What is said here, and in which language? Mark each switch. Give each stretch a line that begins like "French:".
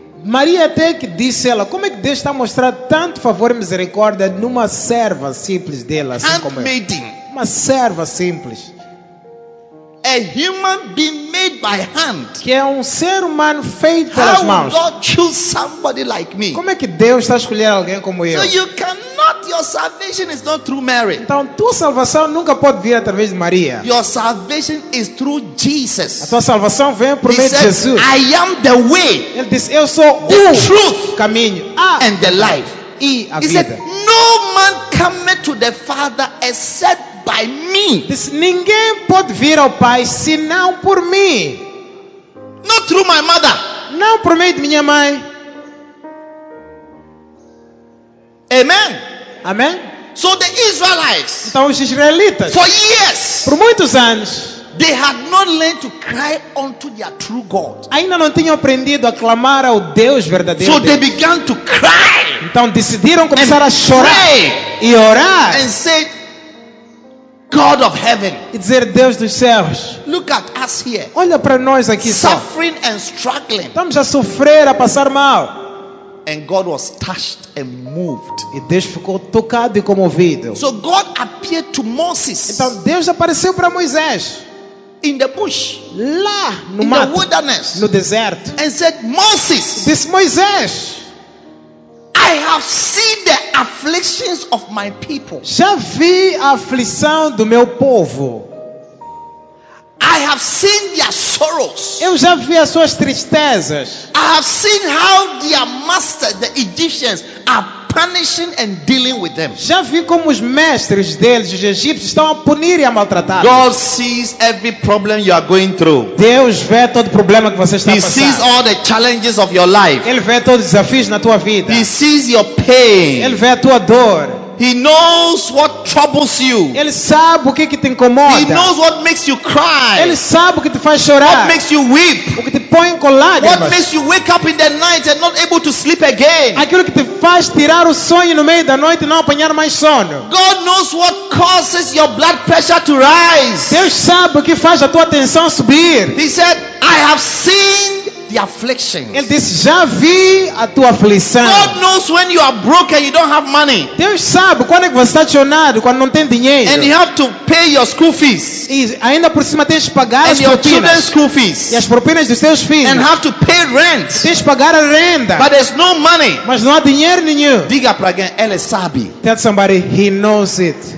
Portuguese: Maria até que disse ela, como é que Deus está a mostrar tanto favor e misericórdia numa serva simples dela, assim
English: handmaiden.
Portuguese: Como
English: handmaiden.
Portuguese: Uma serva simples.
English: A human being made by hand.
Portuguese: Que é um ser humano feito pelas mãos.
English: How will God choose somebody like me?
Portuguese: Como é que Deus está a escolher alguém como eu?
English: So you cannot, your salvation is not through Mary.
Portuguese: Então tua salvação nunca pode vir através de Maria.
English: Your salvation is through Jesus.
Portuguese: A tua salvação vem por meio de Jesus.
English: I am the way.
Portuguese: Ele disse, eu sou o
English: truth,
Portuguese: caminho,
English: and the life.
Portuguese: E a
English: he
Portuguese: vida.
English: Said, no man cometh to the Father except by me.
Portuguese: Diz, ninguém pode vir ao Pai senão por mim.
English: Not through my mother.
Portuguese: Não por meio de minha mãe.
English: Amen.
Portuguese: Amen.
English: So the Israelites.
Portuguese: Então os israelitas.
English: For years.
Portuguese: Por muitos anos.
English: They had not learned to cry unto their true God.
Portuguese: Ainda não tinham aprendido a clamar ao Deus verdadeiro.
English: So they began to cry.
Portuguese: Então decidiram começar a chorar e orar.
English: And said, God of heaven.
Portuguese: E dizer, Deus dos céus.
English: Look at us here.
Portuguese: Olha para nós aqui só.
English: Suffering and struggling.
Portuguese: Estamos a sofrer, a passar mal.
English: And God was touched and moved.
Portuguese: E Deus ficou tocado e comovido.
English: So God appeared to Moses.
Portuguese: Então Deus apareceu para Moisés.
English: In the bush.
Portuguese: Lá no
English: in
Portuguese: mato.
English: The wilderness.
Portuguese: No deserto.
English: And said, Moses.
Portuguese: Diz, Moisés.
English: I have seen the afflictions of my people.
Portuguese: Já vi a aflição do meu povo.
English: I have seen their sorrows.
Portuguese: Eu já vi as suas tristezas.
English: I have seen how their master, the Egyptians, are punishing and dealing with them.
Portuguese: Já vi como os mestres deles, os egípcios, estão a punir e a maltratar.
English: God sees every problem you are going through.
Portuguese: Deus vê todo problema que você está a passar.
English: He sees all the challenges of your life.
Portuguese: Ele vê todos os desafios na tua vida.
English: He sees your pain.
Portuguese: Ele vê a tua dor.
English: He knows what troubles you.
Portuguese: Ele sabe o que te incomoda.
English: He knows what makes you cry.
Portuguese: Ele sabe o que te faz chorar.
English: What makes you weep.
Portuguese: O que te põe com lágrimas.
English: What makes you wake up in the night and not able to sleep again.
Portuguese: Aquilo que te faz tirar o sonho no meio da noite e não apanhar mais sono.
English: God knows what causes your blood pressure to rise.
Portuguese: Deus sabe o que faz a tua tensão subir.
English: He said, I have seen the afflictions.
Portuguese: Ele disse, já vi a tua aflição.
English: God knows when you are broke and you don't have money.
Portuguese: Deus sabe quando é que você está chorando, quando não tem dinheiro.
English: And you have to pay your school fees.
Portuguese: E ainda por cima tens de pagar
English: and
Portuguese: as propinas.
English: And your children's school fees.
Portuguese: E as propinas dos teus filhos.
English: And have to pay rent.
Portuguese: Tens de pagar a renda.
English: But there's no money.
Portuguese: Mas não há dinheiro nenhum. Diga para alguém, ele sabe.
English: Tell somebody, he knows it.